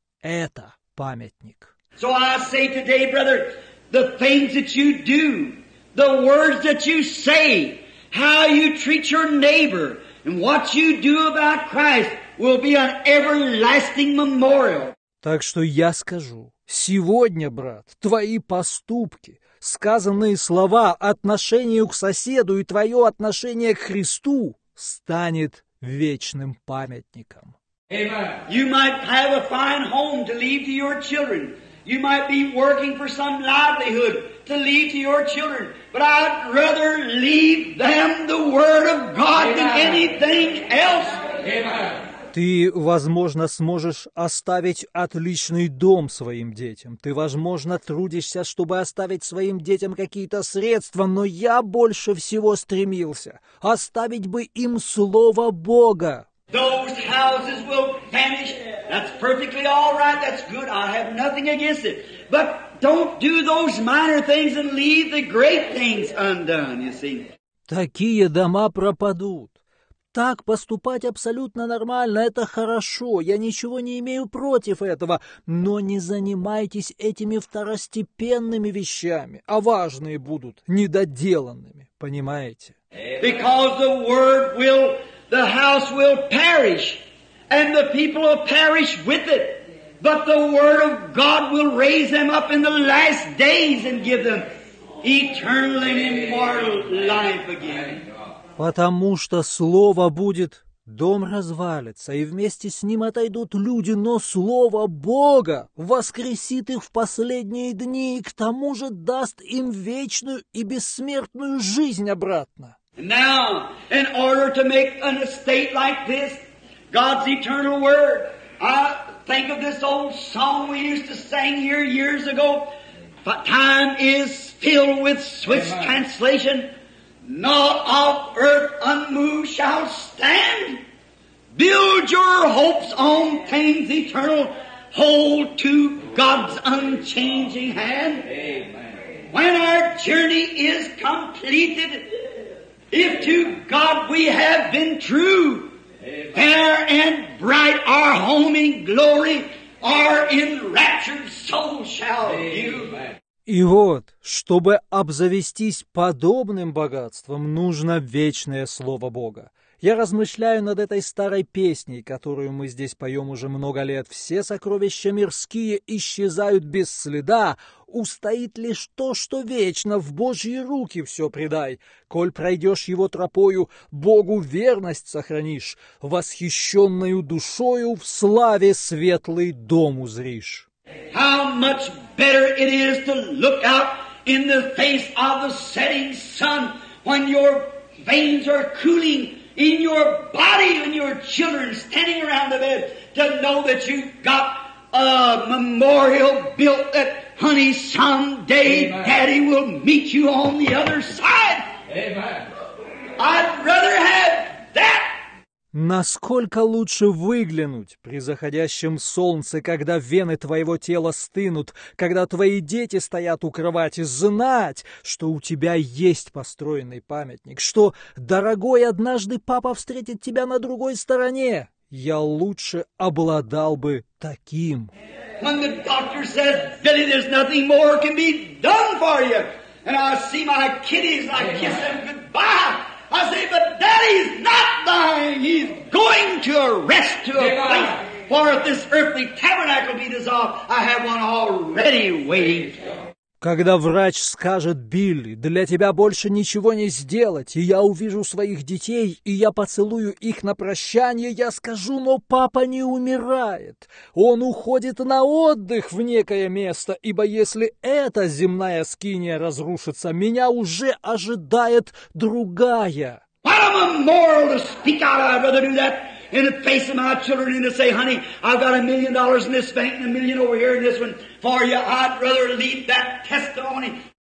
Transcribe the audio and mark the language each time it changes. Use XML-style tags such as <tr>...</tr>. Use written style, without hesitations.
<ru>Это памятник.</ru> <en>So I say today, brother, the things that you do, the words that you say, how you treat your neighbor, and what you do about Christ will be an everlasting memorial.</en> <ru>Так что я скажу. Сегодня, брат, твои поступки, сказанные слова, отношение к соседу и твое отношение к Христу станет вечным памятником.</ru> <en>You might have a fine home to leave to your children. You might be working for some livelihood to leave to your children. But I'd rather leave them the word of God than anything else.</en> <ru>возможно, сможешь оставить отличный дом своим детям. Ты, возможно, трудишься, чтобы оставить своим детям какие-то средства, но я больше всего стремился оставить бы им Слово Бога.</ru> <en>Those houses will vanish. That's perfectly all right. That's good. I have nothing against it. But don't do those minor things and leave the great things undone, you see.</en> <ru>Такие дома пропадут. Так поступать абсолютно нормально, это хорошо, я ничего не имею против этого, но не занимайтесь этими второстепенными вещами, а важные будут недоделанными, понимаете?</ru> <en>Because the word will, the house will perish, and the people will perish with it, but the word of God will raise them up in the last days and give them eternal and immortal life again.</en> <ru>Потому что Слово будет, дом развалится, и вместе с ним отойдут люди, но Слово Бога воскресит их в последние дни и к тому же даст им вечную и бессмертную жизнь обратно.</ru> <en>Now, in order to make an estate like this, God's eternal word, I think of this old song we used to sing here years ago, but time is filled with Swiss translation. Not of earth unmoved shall stand. Build your hopes on things eternal. Hold to God's unchanging hand. Amen. When our journey is completed, if to God we have been true, Amen. Fair and bright our home in glory, our enraptured soul shall view.</en> <ru>И вот, чтобы обзавестись подобным богатством, нужно вечное Слово Бога. Я размышляю над этой старой песней, которую мы здесь поем уже много лет. Все сокровища мирские исчезают без следа. Устоит лишь то, что вечно, в Божьи руки все предай. Коль пройдешь его тропою, Богу верность сохранишь. Восхищенную душою в славе светлый дом узришь.</ru> <en>How much better it is to look out in the face of the setting sun when your veins are cooling in your body and your children standing around the bed to know that you've got a memorial built that honey, someday Amen. Daddy will meet you on the other side. Amen. I'd rather have that.</en> <ru>Насколько лучше выглянуть при заходящем солнце, когда вены твоего тела стынут, когда твои дети стоят у кровати, знать, что у тебя есть построенный памятник, что, дорогой, однажды папа встретит тебя на другой стороне. Я лучше обладал бы таким.</ru> <en>When the doctor says, Billy, there's nothing more can be done for you, and I see my kiddies, I kiss them goodbye. I say, but Daddy's not dying. He's going to a rest, to a place. For if this earthly tabernacle be dissolved, I have one already waiting.</en> <ru>Когда врач скажет, Билли, для тебя больше ничего не сделать, и я увижу своих детей, и я поцелую их на прощание, я скажу, но папа не умирает. Он уходит на отдых в некое место, ибо если эта земная скиния разрушится, меня уже ожидает другая.</ru> <en>What a memorial to speak out, I'd rather do that in the face of my children and to say, honey, I've got $1 million in this bank and $1 million over here in this one for you. I'd rather leave that testimony.</en>